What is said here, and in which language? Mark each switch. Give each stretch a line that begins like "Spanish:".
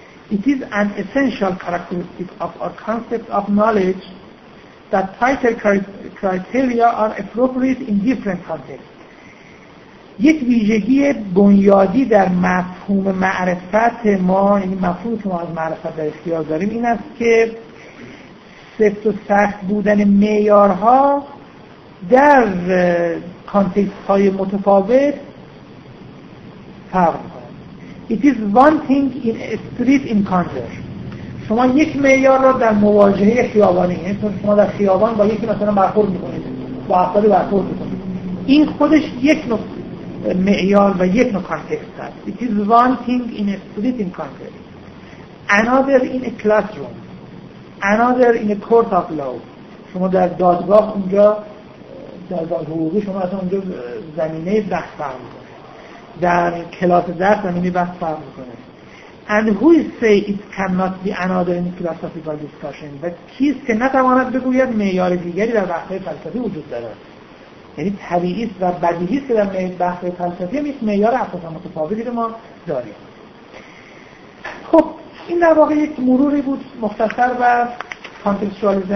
English: It is an essential characteristic of our concept of knowledge that tighter criteria are appropriate in different contexts.
Persian: یک ویژگی بنیادی در مفهوم معرفت ما، یعنی مفهومی که ما از معرفت در اختیار داریم، این است که سفت و سخت بودن معیارها در کانتکست‌های متفاوت فرق می‌کند.
English: It is one thing in a street encounter.
Persian: شما یک معیار را در مواجهه خیابانی، یعنی شما در خیابان با یکی مثلا برخورد می‌کنید، با افرادی برخورد می‌کنید، این خودش یک نوع معیار و یک نوع کانتکست است.
English: It is one thing in a street encounter. Another in a classroom. Another in a court of law.
Persian: شما در دادگاه اونجا، در دادگاه حقوقی شما از اونجا زمینه بحث فرق می‌کنید. در کلاس درس هم اینی بحث فرق میکنه.
English: And who say it cannot be another in philosophical discussion.
Persian: و کیست که نتواند بگوید معیار دیگری در بحث فلسفی وجود دارد. یعنی طبیعیست و بدیهیست که در بحث فلسفی هم ایست معیار اساسا متفاوتی رو ما داریم. خب این در واقع یک مروری بود مختصر و کانتکستوالیزم.